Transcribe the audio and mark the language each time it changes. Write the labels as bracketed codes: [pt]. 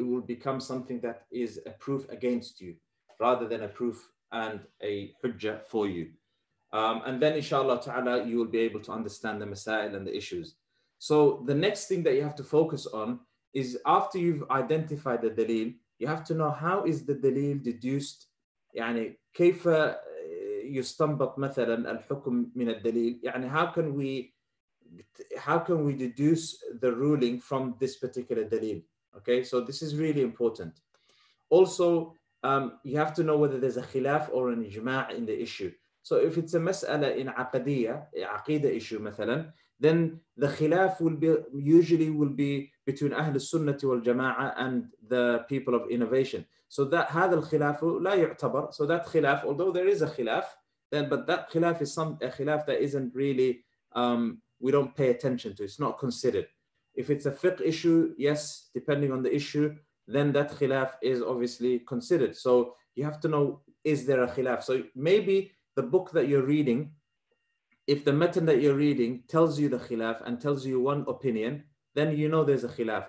[en] It will become something that is a proof against you rather than a proof and a hujjah for you. And then inshallah ta'ala, you will be able to understand the masail and the issues. So the next thing that you have to focus on is, after you've identified the dalil, you have to know how is the dalil deduced. [ar] يعني كيف يستنبط مثلا الحكم من الدليل. [en] يعني how can we deduce the ruling from this particular dalil? Okay, so this is really important. Also, you have to know whether there's a khilaf or an ijma' in the issue. So if it's a mas'ala in aqidah issue مثلا, then the khilaf will usually be between Ahl al-Sunnah wal-Jama'ah and the people of innovation. So that [ar] هذا الخلاف لا يعتبر. [en] So that khilaf, although there is a khilaf, but that khilaf is a khilaf that isn't really, we don't pay attention to, it's not considered. If it's a fiqh issue, yes, depending on the issue, then that khilaf is obviously considered. So you have to know, is there a khilaf? So maybe the book that you're reading, if the matan that you're reading tells you the khilaf and tells you one opinion, then you know there's a khilaf.